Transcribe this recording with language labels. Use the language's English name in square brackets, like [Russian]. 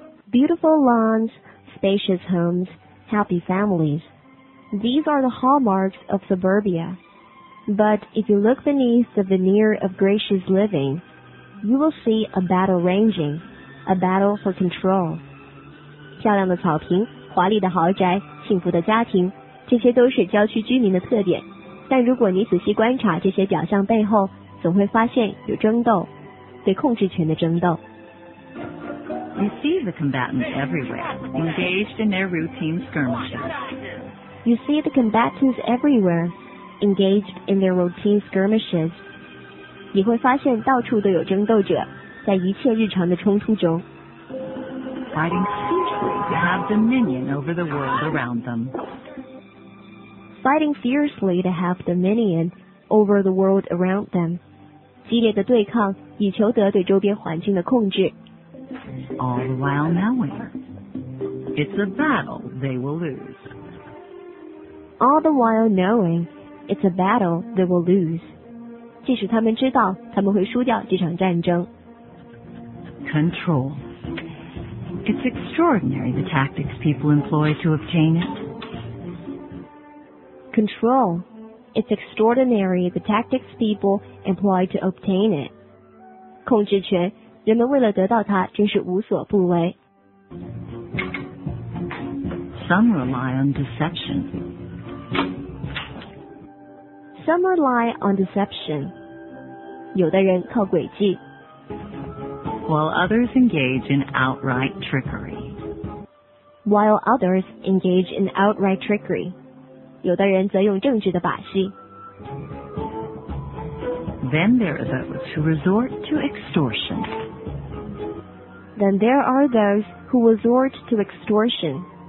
[English] Beautiful lawns, spacious homes, happy families. These are the hallmarks of suburbia. But if you look beneath the veneer of gracious living, you will see a battle raging, a battle for control. [Chinese] 漂亮的草坪，华丽的豪宅，幸福的家庭，这些都是郊区居民的特点。但如果你仔细观察这些表象背后，总会发现有争斗，对控制权的争斗。 [English] You see the combatants everywhere, engaged in their routine skirmishes. You see the combatants everywhere, engaged in their routine skirmishes. [Chinese] 你会发现到处都有争斗者，在一切日常的冲突中。 [English] Fighting fiercely to have dominion over the world around them. Fighting fiercely to have dominion over the world around them. [Chinese] 激烈的对抗，以求得对周边环境的控制。 [English] All the while knowing it's a battle they will lose. All the while knowing it's a battle they will lose. [Chinese] 即使他们知道他们会输掉这场战争。 [English] Control. It's extraordinary the tactics people employ to obtain it. Control. It's extraordinary the tactics people employ to obtain it. [Chinese] 控制权，人们为了得到它真是无所不为。 [English] Some rely on deception. Some rely on deception. [Chinese] 有的人靠诡计。 [English] While others engage in outright trickery. While others engage in outright trickery. [Chinese] 有的人则用政治的把戏。 [English] Then there are those who resort to extortion. Then there are those who resort to extortion.